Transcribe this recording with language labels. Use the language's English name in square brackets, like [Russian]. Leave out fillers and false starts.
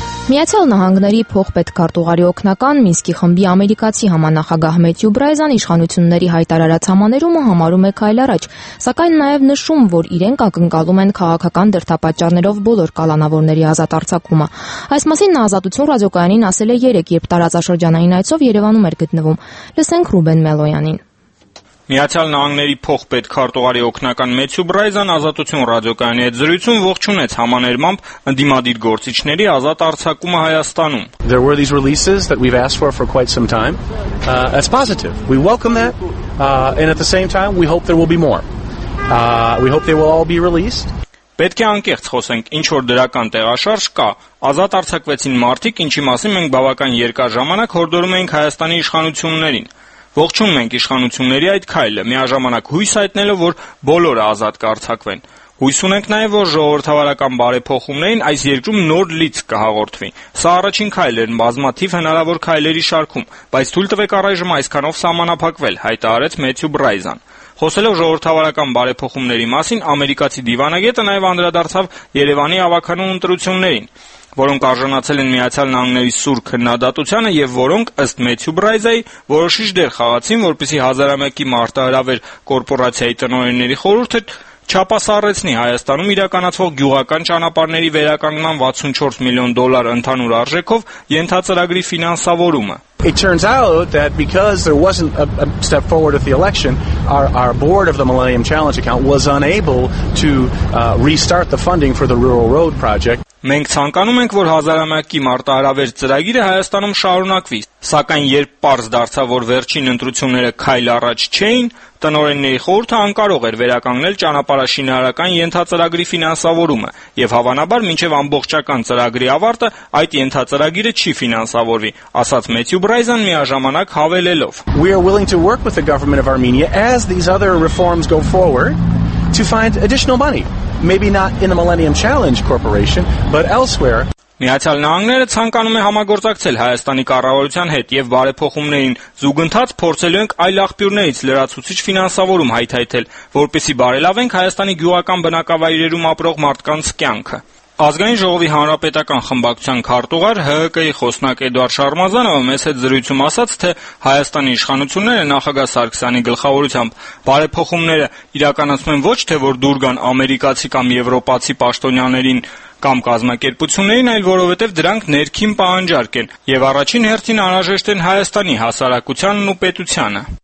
[Armenian] Միացյալ Նահանգների փոխպետքարտուղարի օգնական Մինսկի խմբի ամերիկացի համանախագահ Մեթյու Բրայզան իշխանությունների հայտարարած համաներումը համարում է քայլ առաջ, սակայն նաև նշում, որ իրենք ակնկալում են քաղաքական դրդապատճառներով բոլոր կալանավորների ազատ արձակումը։ Այս մասին նա Ազատություն ռադիոկայանին ասել է 3, երբ տարածաշրջանային այցով Երևանում էր գտնվում։ Լսենք Ռուբեն Մելոյանին։ Միացյալ Նահանգների փոխպետքարտուղարի օգնական Մեթյու Բրայզան Ազատություն ռադիոկայանի հետ զրույցում ողջունեց համաներմամբ ընդդիմադիր գործիչների ազատ արձակումը Հայաստանում։ [English] There were these releases that we've asked for quite some time. That's positive. We welcome that. And at the same time, we hope there will be more. We hope they will all be released. [Armenian] Պետք է անկեղծ խոսենք, ինչ որ դրական տեղաշարժ կա, ազատ արձակվեցին մարդիկ, ինչի մասին մենք բավական երկար ժամանակ հորդորում էինք Հայաստանի իշխանություններին։ Ողջունում ենք իշխանությունների այդ քայլը, միաժամանակ հույս հայտնելով, որ բոլորը ազատ կարձակվեն։ Հույս ունենք նաև, որ ժողովրդավարական բարեփոխումներին այս երկրում նոր լիցք կհաղորդվի։ Սա առաջին քայլերն բազմաթիվ հնարավոր քայլերի շարքում, բայց թույլ տվեք առայժմ այսքանով սահմանափակվել, հայտարարեց Մեթյու Բրայզան։ Խոսելով ժողովրդավարական բարեփոխումների մասին, ամերիկացի դիվանագետը նաև անդրադարձավ Երևանի ավականու ընտրություններին, որոնք արժանացել են Միացյալ Նահանգների սուր քննադատությանը եւ որոնք ըստ Մեթյու Բրայզայի որոշիչ դեր խաղացին, որպեսզի հազարամյակի մարտահրավեր կորպորացիայի տնօրենների խորհուրդը չափասարեցնի Հայաստանում իրականացվող գյուղական ճանապարհների վերականգնման $64 million ընդհանուր արժեքով ենթածրագրի ֆինանսավորումը։ [English] It turns out that because there wasn't a step forward at the election, our board of the Millennium Challenge account was unable to restart the funding for the rural road project. [Armenian] Մենք ցանկանում ենք, որ հազարամյակի մարտահրավեր ծրագիրը Հայաստանում շարունակվի, սակայն երբ պարզ դարձավ, որ վերջին ընտրությունները քայլ առաջ չէին, տնօրենների խորհուրդը անկարող էր վերականգնել ճանապարհաշինարարական ենթածրագրի ֆինանսավորումը, եւ հավանաբար մինչեւ ամբողջական ծրագրի ավարտը այդ ենթածրագիրը չի ֆինանսավորվի, ասաց Մեթյու Բրայզան միաժամանակ հավելելով. [English] We are willing to work with the government of Armenia as these other reforms go forward to find additional money. Maybe not in the Millennium Challenge Corporation, but elsewhere. [Armenian] Միացյալ Նահանգները ցանկանում է համագործակցել Հայաստանի կառավարության հետ եւ բարեփոխումներին զուգընթաց փորձելու ենք այլ աղբյուրներից լրացուցիչ ֆինանսավորում հայթայթել, որպեսզի բարելավենք Հայաստանի գյուղական բնակավայրերում ապրող մարդկանց կյանքը։ Ազգային ժողովի հանրապետական խմբակցության քարտուղար ՀՀԿ-ի խոսնակ Էդուարդ Շարմազանովը մեզ հետ զրույցում ասաց, թե Հայաստանի իշխանությունները նախագահ Սարգսյանի գլխավորությամբ բարեփոխումները իրականացնում են ոչ թե որ դուր գան ամերիկացի կամ եվրոպացի պաշտոնյաներին կամ կազմակերպություններին, այլ որովհետև դրանք ներքին պահանջարկ են եւ առաջին հերթին անհրաժեշտ են Հայաստանի հասարակությանն ու պետությանը։